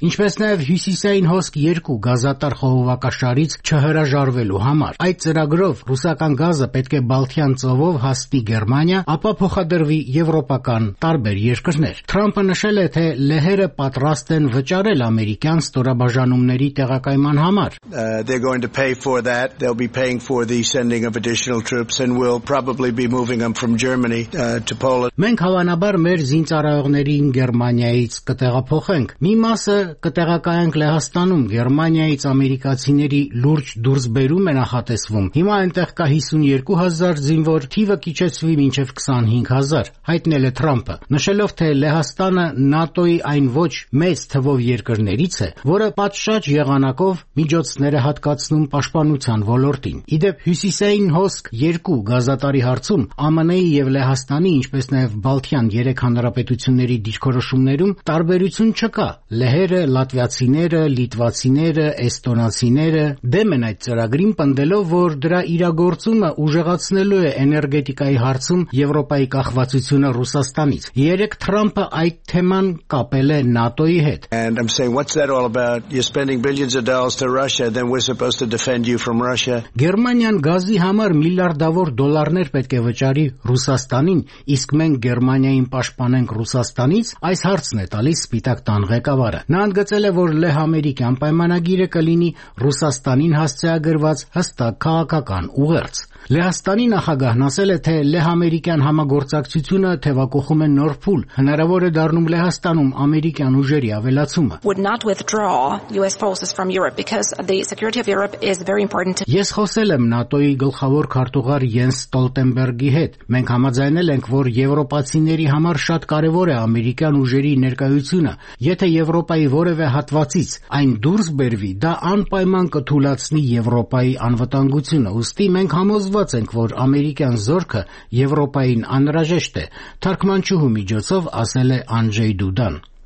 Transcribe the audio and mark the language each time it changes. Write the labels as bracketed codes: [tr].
[hy] ինչպես նաև Հյուսիսային Հոսք 2 գազատար խողովակաշարից չհրաժարվելու համար։ Այդ ծրագրով ռուսական գազը պետք է Բալթյան ծովով հասնի Գերմանիա, ապա փոխադրվի եվրոպական տարբեր երկրներ։ Թրամփը նշել է, թե Լեհերը պատրաստ են վճարել ամերիկյան ստորաբաժանումների տեղակայման համար։ [en] They'll be paying for the sending of additional troops and will probably be moving them from Germany to Poland. [hy] Մենք հավանաբար մեր զինծառայողներին Գերմանիայից կտեղափոխենք։ Մի մասը կտեղակայենք Լեհաստանում, Գերմանիայից ամերիկացիների լուրջ դուրսբերում է նախատեսվում։ Հիմա այնտեղ կա 52,000 զինվոր, թիվը քիչեցվի մինչև 25,000, հայտնել է Թրամփը, նշելով, թե Լեհաստանը ՆԱՏՕ-ի այն ոչ մեծ թվով երկրներից է, որը պատշաճ եղանակով միջոցներ է հատկացնում պաշտպանության ոլորտին։ Իդեպ Հյուսիսային Հոսք 2 գազատարի հարցում ԱՄՆ-ի և Լեհաստանի, ինչպես նաև Բալթյան 3 հանրապետությունների դիրքորոշումներում տարբերություն չկա։ Լեհերը, լատվիացիները, լիտվացիները, էստոնացիները դեմ են այդ ծրագրին, պնդելով, որ դրա իրագործումը ուժեղացնելու է էներգետիկայի հարցում Եվրոպայի կախվածությունը Ռուսաստանից։ 3 Թրամփը այդ թեման կապել է ՆԱՏՕ-ի հետ։ [en] And I'm saying, what's that all about? You're spending billions of dollars to Russia, then we're supposed to defend you from Russia. [hy] Գերմանիան գազի համար միլիարդավոր դոլարներ պետք է վճարի Ռուսաստանին, իսկ մենք Գերմանիային պաշտպանենք Ռուսաստանից, այս հարցն է տալիս Սպիտակ տան ղեկավարը։ Նա ընդգծել է, որ Լեհամերիկյան պայմանագիրը կլինի Ռուսաստանին հասցեագրված հստակ քաղաքական ուղերձ։ Լեհաստանի նախագահն ասել է, թե Լեհամերիկյան համագործակցությունը թևակոխում է նոր փուլ, հնարավոր է դառնում Լեհաստանում ամերիկյան ուժերի ավելացումը։ [en] Would not withdraw US forces from Europe because the security of Europe is very important to. [hy] Ես խոսել եմ ՆԱՏՕ-ի գլխավոր քարտուղար Յենս Ստոլտենբերգի հետ։ Մենք համաձայնել ենք, որ եվրոպացիների համար շատ կարևոր է ամերիկյան ուժերի ներկայությունը։ Եթե Եվրոպայի որևէ հատվածից այն դուրս բերվի, դա անպայման կթուլացնի Եվրոպայի անվտանգությունը։ Ուստի մենք համոզված ենք, որ ամերիկյան զորքը Եվրոպային անհրաժեշտ է, թարգմանչուհու միջոցով ասել է Անջեյ Դուդան։